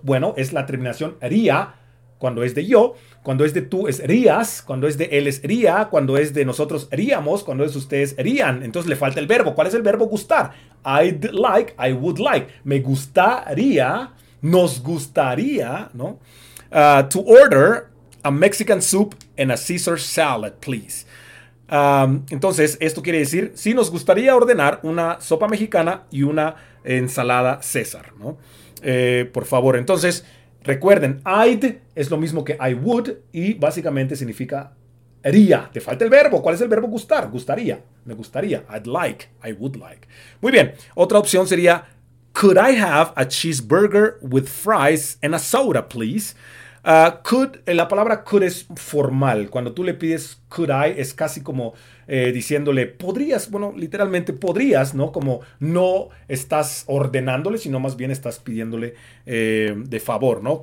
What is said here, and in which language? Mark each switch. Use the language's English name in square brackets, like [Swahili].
[Spanish] Bueno, es la terminación ría. Cuando es de yo, cuando es de tú, es rías, cuando es de él, es ría, cuando es de nosotros, ríamos, cuando es de ustedes, rían. Entonces le falta el verbo. ¿Cuál es el verbo gustar? [English] I'd like, I would like. [Spanish] Me gustaría, nos gustaría, ¿no? [English] To order a Mexican soup and a Caesar salad, please. [Spanish] Entonces, esto quiere decir, sí, nos gustaría ordenar una sopa mexicana y una ensalada César, ¿no? Por favor, entonces... Recuerden, I'd es lo mismo que I would y básicamente significa haría. Te falta el verbo. ¿Cuál es el verbo gustar? Gustaría. Me gustaría. [English] I'd like. I would like. [Spanish] Muy bien. Otra opción sería, [English] could I have a cheeseburger with fries and a soda, please? [Spanish] Could, la palabra could es formal. Cuando tú le pides could I, es casi como diciéndole, podrías, bueno, literalmente podrías, ¿no? Como no estás ordenándole, sino más bien estás pidiéndole de favor, ¿no?